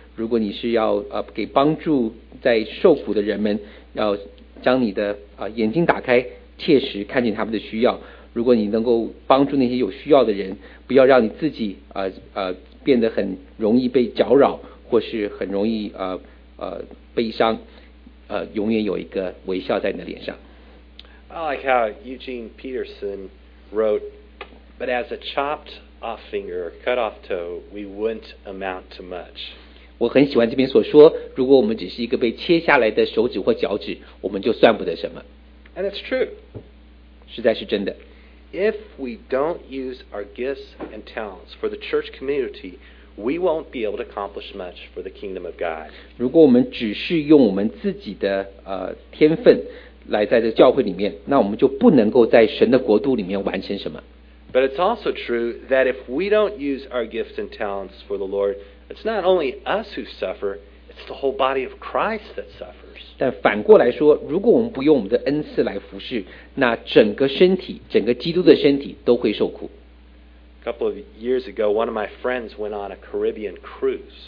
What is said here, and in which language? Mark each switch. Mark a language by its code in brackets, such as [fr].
[zh] 如果你是要给帮助在受苦的人们，要将你的眼睛打开，切实看见他们的需要。如果你能够帮助那些有需要的人，不要让你自己变得很容易被搅扰，或是很容易悲伤，永远有一个微笑在你的脸上。 [en] I like how Eugene Peterson wrote, "But as a chopped off finger, cut off toe, we wouldn't amount to much." [zh] 我很喜欢这边所说，如果我们只是一个被切下来的手指或脚趾，我们就算不得什么。 [en] And it's true. [zh] 实在是真的。 [en] If we don't use our gifts and talents for the church community, we won't be able to accomplish much for the kingdom of God. [zh] 如果我们只是用我们自己的天分来在这个教会里面，那我们就不能够在神的国度里面完成什么。 [en] But it's also true that if we don't use our gifts and talents for the Lord, it's not only us who suffer, it's the whole body of Christ that suffers. [zh] 但反过来说，如果我们不用我们的恩赐来服侍，那整个身体，整个基督的身体都会受苦。 [en] A couple of years ago, one of my friends went on a Caribbean cruise.